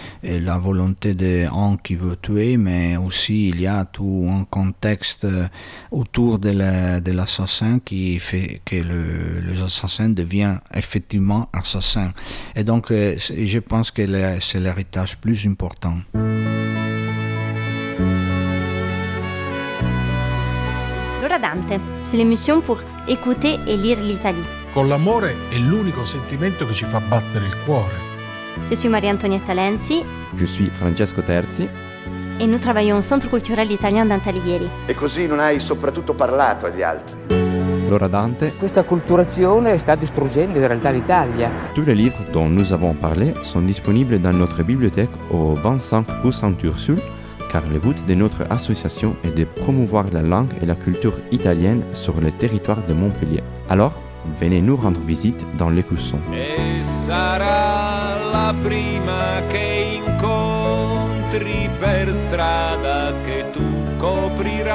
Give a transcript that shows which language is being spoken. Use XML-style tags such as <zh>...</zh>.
<fr>la volonté d'un qui veut tuer, mais aussi il y a tout un contexte autour de l'assassin qui fait que les assassins deviennent effectivement assassins. Et donc, je pense que c'est l'héritage plus important. L'Ora Dante, c'est l'émission pour écouter et lire l'Italie.</fr> <it>Con l'amore è l'unico sentimento che ci fa battere il cuore.</it> <fr>Je suis Maria Antonietta Lenzi. Je suis Francesco Terzi. Et nous travaillons au Centre culturel italien d'Antalieri.</fr> <it>E così non hai soprattutto parlato agli altri. L'Ora Dante. Questa acculturazione sta distruggendo in realtà l'Italia.</it> <fr>Tous les livres dont nous avons parlé sont disponibles dans notre bibliothèque au 25 rue Saint-Ursule, car le but de notre association est de promouvoir la langue et la culture italienne sur le territoire de Montpellier. Alors, venez nous rendre visite dans les Cussons.</fr> <it>Et sarà la prima che incontri per strada che tu copri.</it>